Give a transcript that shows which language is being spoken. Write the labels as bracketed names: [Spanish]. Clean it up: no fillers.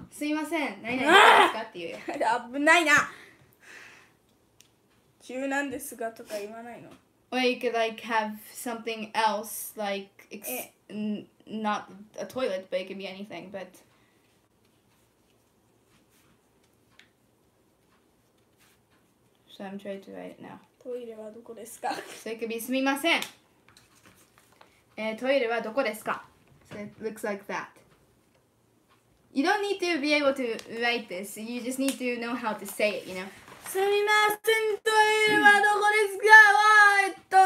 [Japanese] すいません、何々ですかって言うよ。危ないな。急なんですがとか言わないの。 [English] Or you could like have something else like not a toilet, but it could be anything. But so I'm trying to write it now. [Japanese] トイレはどこですか。 [English] So it could be [Japanese] すみません。トイレはどこですか。 [English] It looks like that. You don't need to be able to write this. You just need to know how to say it, you know? [Japanese] すみません、トイレはどこですか？